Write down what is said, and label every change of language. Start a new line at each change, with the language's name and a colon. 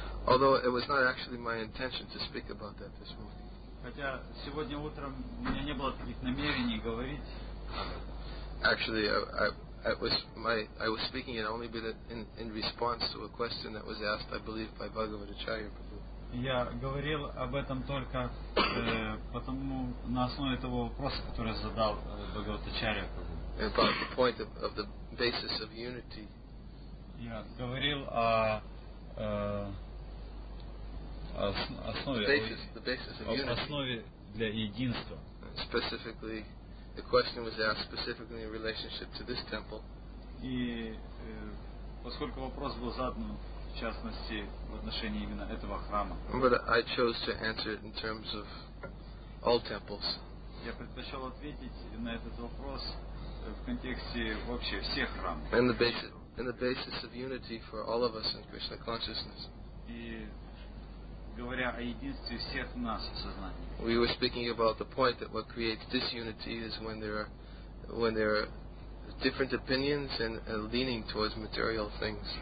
English: Although it was not actually my intention to speak about that this morning.
Russian: Хотя сегодня утром у меня не было таких намерений говорить.
English: Actually, I was speaking it only in response to a question that was asked, I believe, by Bhagavad Acharya Prabhu.
Russian: Я говорил об этом только потому на основе того вопроса, который задал Бхагавад Ачарья Прабху.
English: About the point of the basis of unity.
Russian: Я говорил о основе основе для единства.
English: Specifically. The question was asked specifically in relationship to this temple.
Russian: И поскольку вопрос был задан в частности в отношении именно этого храма.
English: But I chose to answer it in terms of all temples.
Russian: Я предпочел ответить на этот вопрос в контексте вообще всех храмов.
English: In the basis of unity for all of us in Krishna consciousness.
Russian: И говоря о единстве всех нас в сознании.
English: We were speaking about the point that what creates disunity is when there are different opinions and a leaning towards material things.